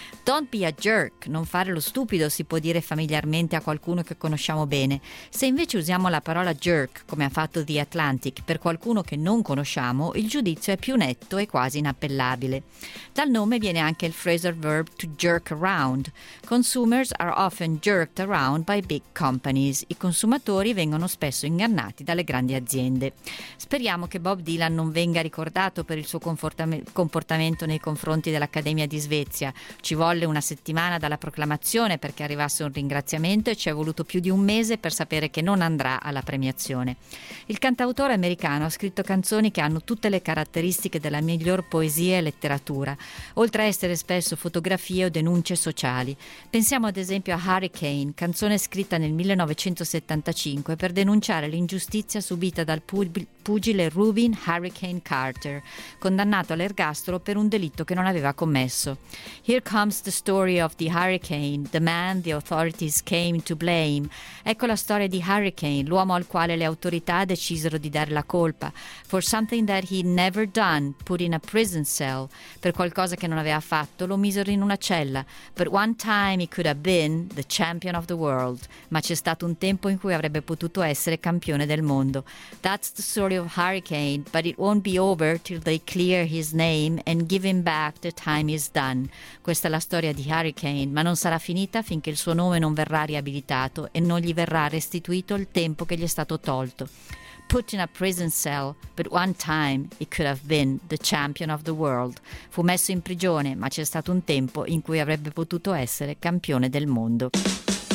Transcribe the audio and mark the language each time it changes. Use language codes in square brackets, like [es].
[en] Don't be a jerk, [it] non fare lo stupido, si può dire familiarmente a qualcuno che conosciamo bene. Se invece usiamo la parola jerk, come ha fatto The Atlantic, per qualcuno che non conosciamo, il giudizio è più netto e quasi inappellabile. Dal nome viene anche il phrasal verb to jerk around. [en] Consumers are often jerked around by big companies. [it] I consumatori vengono spesso ingannati dalle grandi aziende. Speriamo che Bob Dylan non venga ricordato per il suo comportamento nei confronti dell'Accademia di Svezia. Ci volle una settimana dalla proclamazione perché arrivasse un ringraziamento e ci è voluto più di un mese per sapere che non andrà alla premiazione. Il cantautore americano ha scritto canzoni che hanno tutte le caratteristiche della miglior poesia e letteratura, oltre a essere spesso fotografie o denunce sociali. Pensiamo ad esempio a Hurricane, canzone scritta nel 1975 per denunciare l'ingiustizia subita dal pugile Reuben Hurricane Carter, condannato all'ergastolo per un delitto che non aveva commesso. [en] Here comes the story of the hurricane, the man the authorities came to blame. [it] Ecco la storia di Hurricane, l'uomo al quale le autorità decisero di dare la colpa, [en] for something that he'd never done, put in a prison cell. [it] Per qualcosa che non aveva fatto, lo misero in una cella. [en] But one time he could have been the champion of the world. [it] Ma c'è stato un tempo in cui avrebbe potuto essere campione del mondo. [en] That's the story of Hurricane, but it won't be over till they clear his name and give him back the time he's done. [it] Questa è la storia di Hurricane, ma non sarà finita finché il suo nome non verrà riabilitato e non gli verrà restituito il tempo che gli è stato tolto. [en] Put in a prison cell, but one time he could have been the champion of the world. [it] Fu messo in prigione, ma c'è stato un tempo in cui avrebbe potuto essere campione del mondo.